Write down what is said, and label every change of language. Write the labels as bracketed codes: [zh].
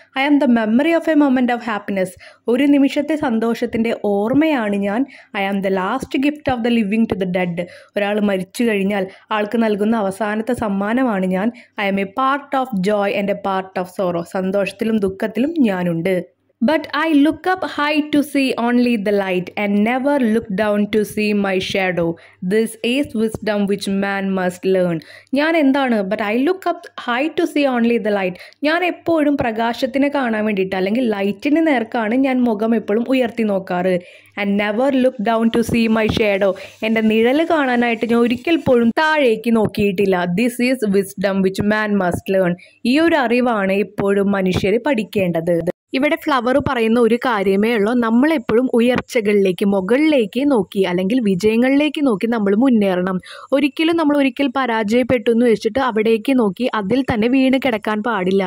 [en] I am the memory of a moment of happiness [ml] ഒരു നിമിഷത്തെ സന്തോഷത്തിൻ്റെ ഓർമ്മയാണ് ഞാൻ. [en] I am the last gift of the living to the dead [ml] ഒരാൾ മരിച്ചു കഴിഞ്ഞാൽ ആൾക്ക് നൽകുന്ന അവസാനത്തെ സമ്മാനമാണ് ഞാൻ. [en] I am a part of joy and a part of sorrow. [ml] സന്തോഷത്തിലും ദുഃഖത്തിലും ഞാനുണ്ട്. [en] But I look up high to see only the light and never look down to see my shadow. This is wisdom which man must learn. [ml] ഞാൻ എന്താണ്? [en] But I look up high to see only the light. [ml] ഞാൻ എപ്പോഴും പ്രകാശത്തിനെ കാണാൻ വേണ്ടിയിട്ട് അല്ലെങ്കിൽ ലൈറ്റിന് നേർക്കാണ് ഞാൻ മുഖം എപ്പോഴും ഉയർത്തി നോക്കാറ്. [en] And never look down to see my shadow. [ml] എൻ്റെ നിഴല് കാണാനായിട്ട് ഞാൻ ഒരിക്കൽ പോലും താഴേക്ക് നോക്കിയിട്ടില്ല. [en] This is wisdom which man must learn. [ml] ഈ ഒരു അറിവാണ് എപ്പോഴും മനുഷ്യർ പഠിക്കേണ്ടത്. ഇവിടെ ഫ്ലവർ പറയുന്ന ഒരു കാര്യമേ ഉള്ളൂ, നമ്മളെപ്പോഴും ഉയർച്ചകളിലേക്ക് മുകളിലേക്ക് നോക്കി അല്ലെങ്കിൽ വിജയങ്ങളിലേക്ക് നോക്കി നമ്മൾ മുന്നേറണം. ഒരിക്കലും നമ്മൾ ഒരിക്കൽ പരാജയപ്പെട്ടു എന്ന് വെച്ചിട്ട് അവിടേക്ക് നോക്കി അതിൽ തന്നെ വീണ് കിടക്കാൻ പാടില്ല.